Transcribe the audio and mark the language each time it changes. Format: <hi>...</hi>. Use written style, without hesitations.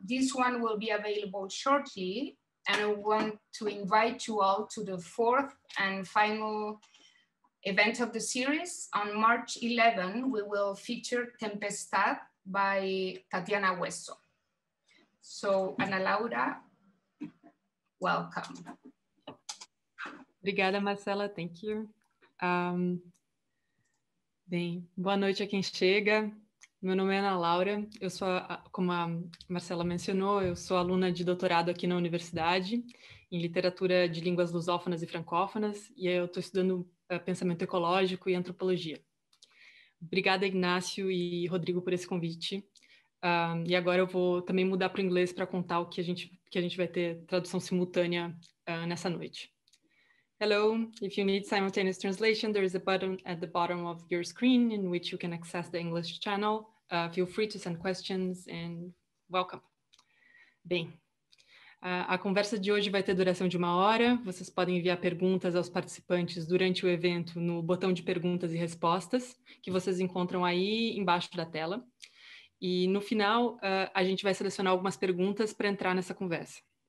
<en>This one will be available shortly, and I want to invite you all to the fourth and final event of the series. On March 11, we will feature Tempestad by Tatiana Hueso. So, Ana Laura, welcome.</en> <pt>Obrigada, Marcela,</pt> <en>thank you.</en> <pt>Bem, boa noite a quem chega. Meu nome é Ana Laura, eu sou, como a Marcela mencionou, eu sou aluna de doutorado aqui na universidade em literatura de línguas lusófonas e francófonas, e aí eu estou estudando pensamento ecológico e antropologia. Obrigada, Ignacio e Rodrigo, por esse convite. E agora eu vou também mudar para o inglês para contar o que a gente vai ter tradução simultânea nessa noite.</pt> <en>Hello, if you need simultaneous translation, there is a button at the bottom of your screen in which you can access the English channel. Feel free to send questions and welcome.</en> <pt>Bem, a conversa de hoje vai ter duração de uma hora. Vocês podem enviar perguntas aos participantes durante o evento no botão de perguntas e respostas que vocês encontram aí embaixo da tela. E no final, a gente vai selecionar algumas perguntas para entrar nessa conversa.</pt>